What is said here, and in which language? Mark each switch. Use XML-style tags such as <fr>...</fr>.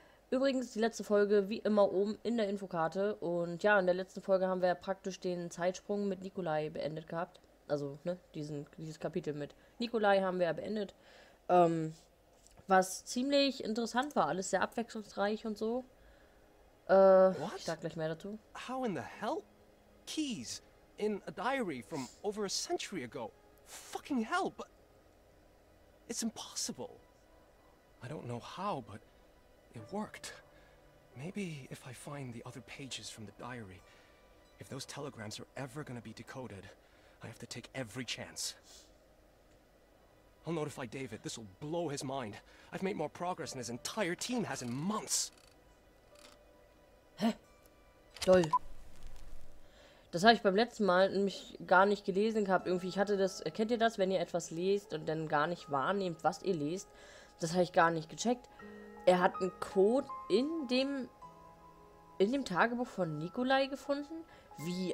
<de>Übrigens die letzte Folge wie immer oben in der Infokarte. Und ja, in der letzten Folge haben wir praktisch den Zeitsprung mit Nikolai beendet gehabt. Also, ne, dieses Kapitel mit Nikolai haben wir ja beendet. Was ziemlich interessant war, alles sehr abwechslungsreich und so. Ich</de> <en>What?</en> <de>sag gleich mehr dazu.</de> <en>How in the hell? Keys in a diary from over a century ago. Fucking hell, but it's impossible. I don't know how, but it worked. Maybe if I find the other pages from the diary, if those telegrams are ever gonna be decoded, I have to take every chance. I'll notify David. This will blow his mind. I've made more progress than his entire team has in months.</en> <de>Toll. Das habe ich beim letzten Mal nämlich gar nicht gelesen gehabt. Irgendwie, ich hatte das. Kennt ihr das, wenn ihr etwas lest und dann gar nicht wahrnehmt, was ihr lest? Das habe ich gar nicht gecheckt. Er hat einen Code in dem Tagebuch von Nikolai gefunden? Wie?</de>